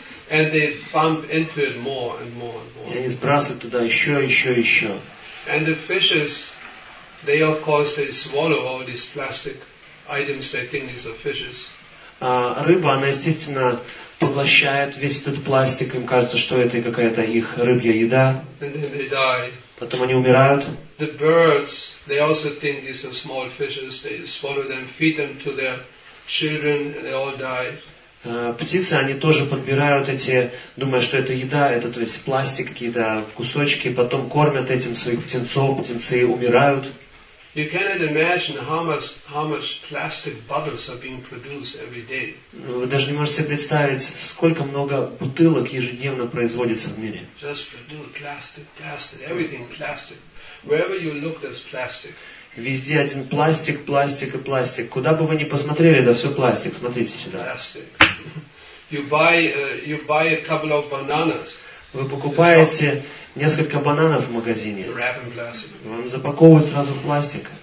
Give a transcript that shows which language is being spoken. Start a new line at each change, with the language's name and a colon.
English: And they bump into it more and more and more.
Russian: И они сбрасывают туда еще, еще, еще.
English: And the fishes, they of course they swallow all these plastic items they think these are fishes.
Russian: Рыба, она естественно поглощает весь этот пластик, им кажется, что это какая-то их рыбья еда.
English: And then they die.
Russian: Потом они умирают.
English: The birds, they also think these are small fishes. They swallow them, feed them to their children, and they all die.
Russian: Птицы, они тоже подбирают эти, думая, что это еда, это то есть пластик, какие-то кусочки, потом кормят этим своих птенцов, птенцы умирают.
English: You cannot imagine how much plastic bottles are being produced every day.
Russian: Вы даже не можете представить, сколько много бутылок ежедневно производится в мире.
English: Just produce plastic, everything plastic. Wherever you look, there's plastic.
Russian: Везде один пластик, пластик и пластик. Куда бы вы ни посмотрели, да все пластик. Смотрите сюда.
English: You buy a couple of bananas.
Russian: Вы покупаете несколько бананов в магазине. Вам запаковывают сразу пластик.